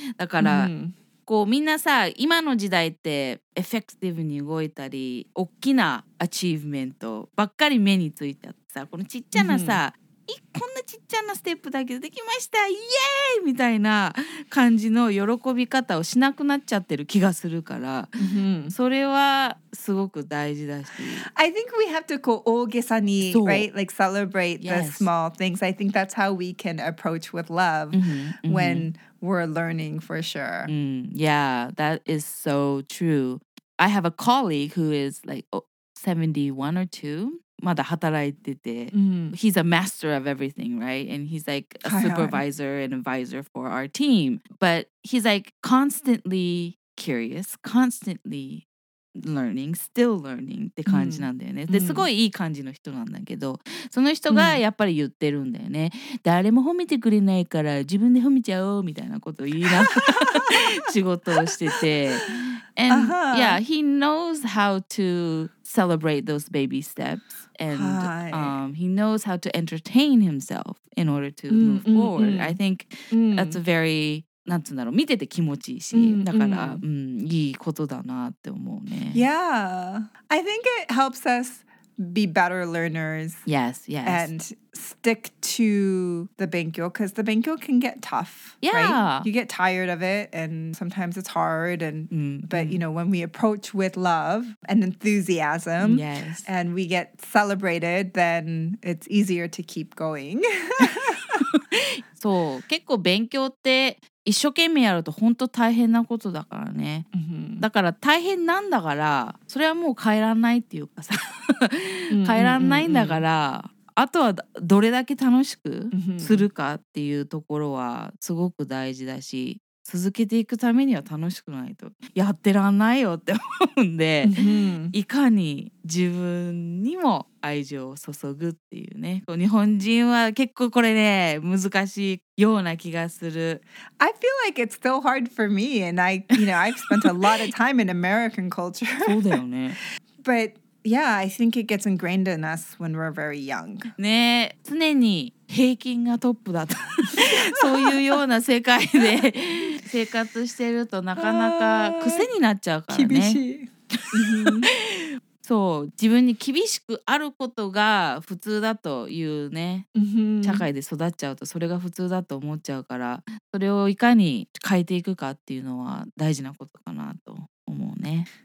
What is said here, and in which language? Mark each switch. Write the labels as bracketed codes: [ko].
[ja] だから、こうみんなさ、今の時代ってエフェクティブに動いたり、大きなアチーブメントばっかり目についさ、このちっちゃなさ、うん、こんなちっちゃなステップだけどできましたイエーイみたいな感じの喜び方をしなくなっちゃってる気がするから、うん、それはすごく大事だし、 [en] I think we have to [ja] こう大げさに、 [en] right? like celebrate the、yes. small things. I think that's how we can approach with love、mm-hmm. when we're learning for sure、 mm-hmm. Yeah, that is so true. I have a colleague who is like、oh,71 or 2, [ja] まだ働いてて、 mm. [en] He's a master of everything, right? And he's like a supervisor and advisor for our team. But he's like constantly curious, constantly learning, still learning [ja] って感じなんだよね。 Mm. ですごいいい感じの人なんだけど、その人がやっぱり言ってるんだよね。誰も褒めてくれないから自分で褒めちゃおうみたいなことを言いながら仕事をしてて。 [en] And、uh-huh. yeah, he knows how to celebrate those baby steps. And、he knows how to entertain himself in order to、mm-hmm. move forward.、Mm-hmm. I think、mm-hmm. that's a very, [ja] なんつうんだろう、見てて気持ちいいし、 [en] mm-hmm. [ja] だから、 [en] mm-hmm. [ja] いいことだなって思うね。 [en] Yeah, I think it helps us be better learners. Yes, yes. And stick to the 勉強, because the 勉強 can get tough. Yeah.、 Right? You get tired of it, and sometimes it's hard. And,、 mm-hmm. But, you know, when we approach with love and enthusiasm,、 yes. and we get celebrated, then it's easier to keep going. [ja] そう、結構勉強って一生懸命やると本当大変なことだからね、 mm-hmm. だから大変なんだからそれはもう変えらんないっていうかさ変えらんないんだから、mm-hmm. あとはどれだけ楽しくするかっていうところはすごく大事だし、続けていくためには楽しくないとやってらんないよって思うんで、 mm-hmm. いかに自分にも愛情を注ぐっていうね、日本人は結構これね難しいような気がする。 [en] I feel like it's still hard for me and I, you know, I've spent a lot of time in American culture. [ja] そうだよね。 [en] But yeah, I think it gets ingrained in us when we're very young. [ja] ね、常に平均がトップだとそういうような世界で生活してるとなかなか癖になっちゃうからね。厳しい。そう、自分に厳しくあることが普通だというね、社会で育っちゃうとそれが普通だと思っちゃうから、それをいかに変えていくかっていうのは大事なことかなと思うね。